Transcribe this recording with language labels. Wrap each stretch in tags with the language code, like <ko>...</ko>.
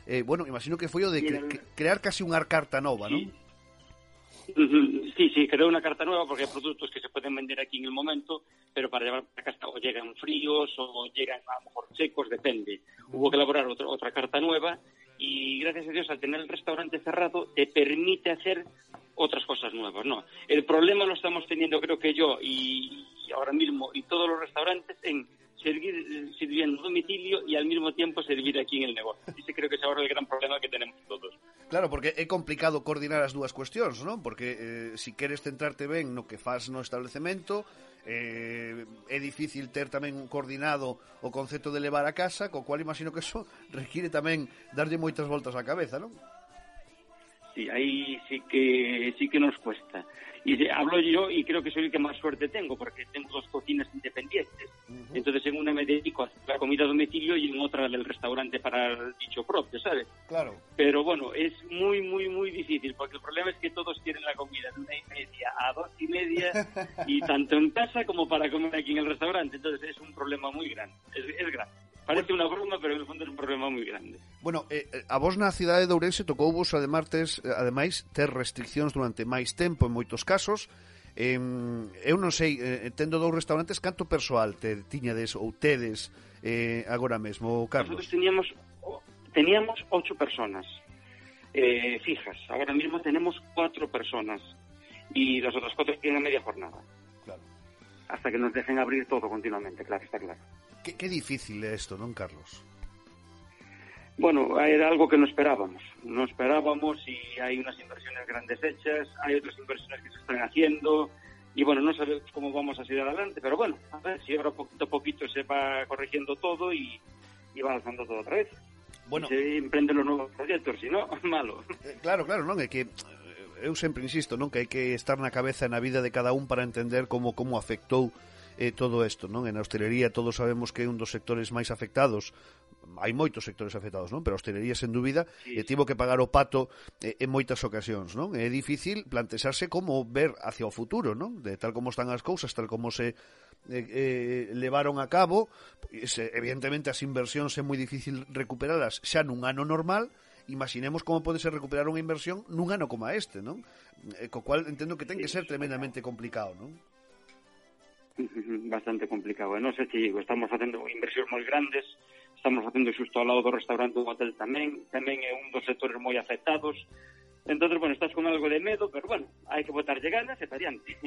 <gl>Bueno, imagino que foi o de crear casi unha carta nova, sí, ¿no?</gl> <es>Sí, sí, creo una carta nueva porque hay productos que se pueden vender aquí en el momento, pero para llevar para casa o llegan fríos o llegan a lo mejor secos, depende. Hubo que elaborar otra carta nueva y gracias a Dios al tener el restaurante cerrado te permite hacer otras cosas nuevas, ¿no? El problema lo estamos teniendo creo que yo y ahora mismo y todos los restaurantes en seguir sirviendo domicilio y al mismo tiempo servir aquí en el negocio. Ese creo que es ahora el gran problema que tenemos todos.</es> <gl>Claro, porque é complicado coordinar as dúas cuestións, ¿no? Porque si queres centrarte ben no que faz no establecemento, é difícil ter tamén coordinado o concepto de levar a casa, co cual imagino que eso requiere tamén darlle moitas voltas á cabeza, ¿no?</gl> <es>Sí, aí sí que nos cuesta. Y hablo yo y creo que soy el que más suerte tengo, porque tengo dos cocinas independientes. Uh-huh. Entonces, en una me dedico a la comida a domicilio y en otra del restaurante para dicho propio, ¿sabes? Claro. Pero bueno, es muy, muy, muy difícil, porque el problema es que todos quieren la comida de 1:30 a 2:30, y tanto en casa como para comer aquí en el restaurante. Entonces, es un problema muy grande, es grande.</es> <gl>Parece unha broma, pero</gl> <es>en el fondo</es> <gl>é un problema moi grande. Bueno, a vos na cidade de Ourense tocou vos, ademais, ter restriccións durante máis tempo en moitos casos. Eu non sei, tendo dous restaurantes, canto persoal tiñades ou tedes agora mesmo, Carlos?</gl> <es>Nosotros teníamos 8 personas fijas.</es> <gl>Agora mesmo</gl> <es>tenemos 4 personas</es> <gl>e as outras</gl> <es>4 tienen a media jornada. Claro. Hasta que nos dejen abrir todo continuamente, claro, está claro. Qué difícil es esto, ¿no, Carlos? Bueno, era algo que no esperábamos. No esperábamos y hay unas inversiones grandes hechas, hay otras inversiones que se están haciendo y, bueno, no sabemos cómo vamos a seguir adelante, pero bueno, a ver si ahora poquito a poquito se va corrigiendo todo y va avanzando todo otra vez. Bueno, se emprenden los nuevos proyectos, si no, malo. Claro, claro, ¿no? Es que yo siempre insisto, ¿no?, que hay que estar en la cabeza, en la vida de cada uno para entender cómo afectó</es> <gl>todo isto, non? En a hostelería todos sabemos que é un dos sectores máis afectados, hai moitos sectores afectados, non? Pero a hostelería, sen dúbida, sí, tivo que pagar o pato en moitas ocasións, non? É difícil plantexarse como ver hacia o futuro, non? De tal como están as cousas, tal como se levaron a cabo, evidentemente as inversións é moi difícil recuperarlas xa nun ano normal. Imaginemos como pode ser recuperar unha inversión nun ano como este, non? Co cual entendo que ten que ser tremendamente complicado, non?</gl> <es>Bastante complicado. No sé, te digo, estamos haciendo inversiones muy grandes, estamos haciendo justo al lado del restaurante un hotel también en unos sectores muy afectados. Entonces, bueno, estás con algo de miedo, pero bueno, hay que botarle ganas y adelante.</es>